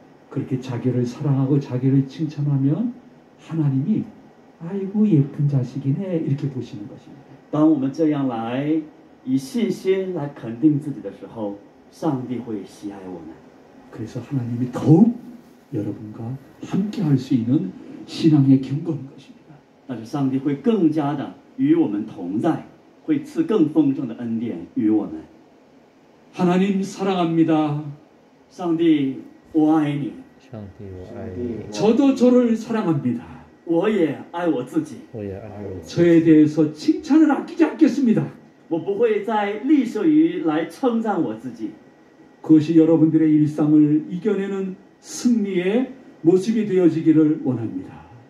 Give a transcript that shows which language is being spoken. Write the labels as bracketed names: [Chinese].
[Korean] 그렇게 자기를 사랑하고 자기를 칭찬하면 하나님이 아이고 예쁜 자식이네 이렇게 보시는 것입니다. [Chinese] 当我们这样来以信心来肯定自己的时候，上帝会喜爱我们。 [Korean] 그래서 하나님이 더욱 여러분과 함께 할 수 있는 신앙의 경건인 것입니다. [Chinese] 那是上帝会更加的与我们同在，会赐更丰盛的恩典与我们。 [Korean] 하나님 사랑합니다. [Chinese] 上帝我爱你。上帝我爱你。 [Korean] 저도 저를 사랑합니다. [Chinese] 我也爱我自己。我也爱我自己。 [Korean] 저에 대해서 칭찬을 아끼지 않겠습니다. [Chinese] 我不会再吝啬于来称赞我自己。 [Korean] 그것이 여러분들의 일상을 이겨내는 승리의 모습이 되어지기를 원합니다.